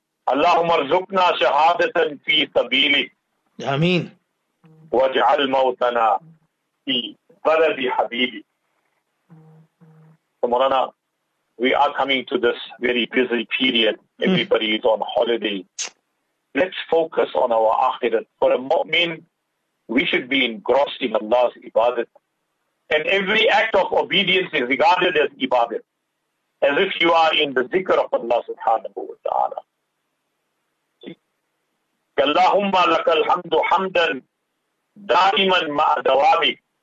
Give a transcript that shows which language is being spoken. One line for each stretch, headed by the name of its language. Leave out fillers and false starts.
Arabic: اللهم ارزقنا شهادة في سبيلك. آمين. واجعل موتنا في بلد حبيبي.
English: So Morana, we are coming to this very busy period. Everybody is on holiday. Let's focus on our akhirat. For a mu'min, we should be engrossed in Allah's ibadat. And every act of obedience is regarded as ibadat, as if you are in the zikr of Allah subhanahu wa ta'ala.
Arabic: اللهم لك الحمد حمدا دائما مع دوامي.